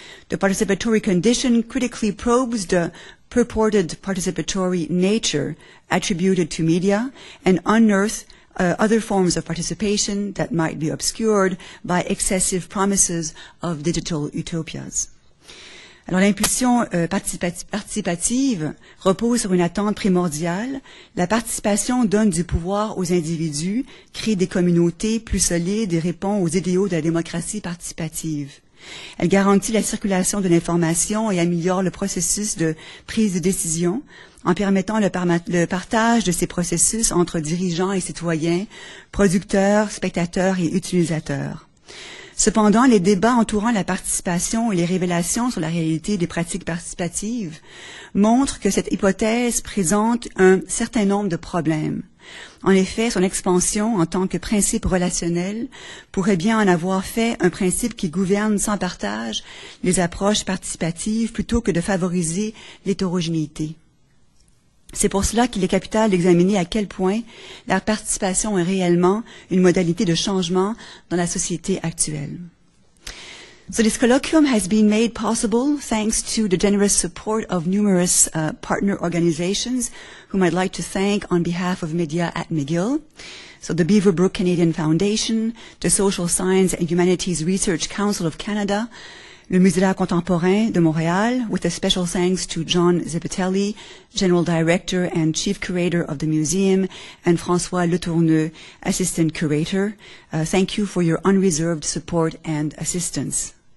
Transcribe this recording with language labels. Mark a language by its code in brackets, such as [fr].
[en] The participatory condition critically probes the purported participatory nature attributed to media and unearths other forms of participation that might be obscured by excessive promises of digital utopias. [fr] Alors, l'impulsion participative repose sur une attente primordiale. La participation donne du pouvoir aux individus, crée des communautés plus solides et répond aux idéaux de la démocratie participative. Elle garantit la circulation de l'information et améliore le processus de prise de décision en permettant le partage de ces processus entre dirigeants et citoyens, producteurs, spectateurs et utilisateurs. Cependant, les débats entourant la participation et les révélations sur la réalité des pratiques participatives montrent que cette hypothèse présente un certain nombre de problèmes. En effet, son expansion en tant que principe relationnel pourrait bien en avoir fait un principe qui gouverne sans partage les approches participatives plutôt que de favoriser l'hétérogénéité. C'est pour cela qu'il est capital d'examiner à quel point la participation est réellement une modalité de changement dans la société actuelle. [en] So this colloquium has been made possible thanks to the generous support of numerous partner organizations, whom I'd like to thank on behalf of Media at McGill. So the Beaverbrook Canadian Foundation, the Social Science and Humanities Research Council of Canada, le Musée d'art contemporain de Montréal, with a special thanks to John Zipitelli, General Director and Chief Curator of the Museum, and François Letourneux, Assistant Curator. Thank you for your unreserved support and assistance.